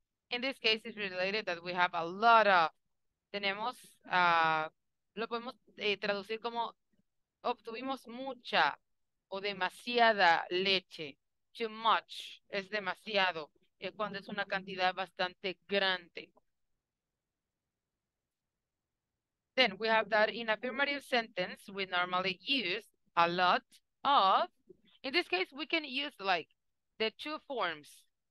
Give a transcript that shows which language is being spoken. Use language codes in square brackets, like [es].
[en] In this case, it's related that we have a lot of. [es] Tenemos, lo podemos traducir como obtuvimos mucha o demasiada leche. Too much es demasiado, cuando es una cantidad bastante grande. [en] Then we have that in affirmative sentence, we normally use a lot of. In this case, we can use like the two forms.